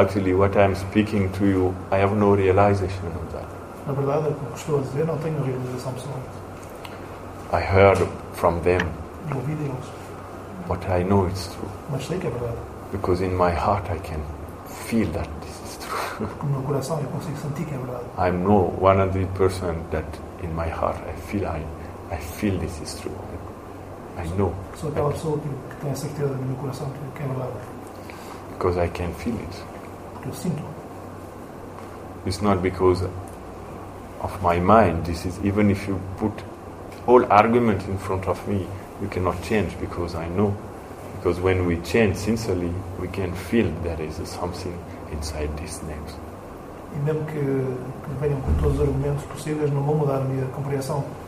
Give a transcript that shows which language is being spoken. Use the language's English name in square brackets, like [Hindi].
[English] Actually, what I'm speaking to you, I have no realization of that. [Portuguese] Na verdade, o que estou a dizer, não tenho realização pessoal. [English] I heard from them. [Portuguese] Eu ouvi deles. [English] But I know it's true. [Portuguese] Mas sei que é verdade. [English] Because in my heart I can feel that this is true. [Portuguese] Porque no meu coração eu consigo sentir que é verdade. [English] I know 100% that in my heart I feel this is true. I know. [Portuguese] Sou aquela pessoa que tem a certeza no meu coração que é verdade. [English] Because I can feel it. [Portuguese] Porque eu sinto. [English] It's not because of my mind. This is even if you put all argument in front of me, we cannot change because I know. Because when we change sincerely, we can feel there is something inside these names. [Portuguese] E mesmo que venham com todos os argumentos possíveis, não vou mudar a minha compreensão.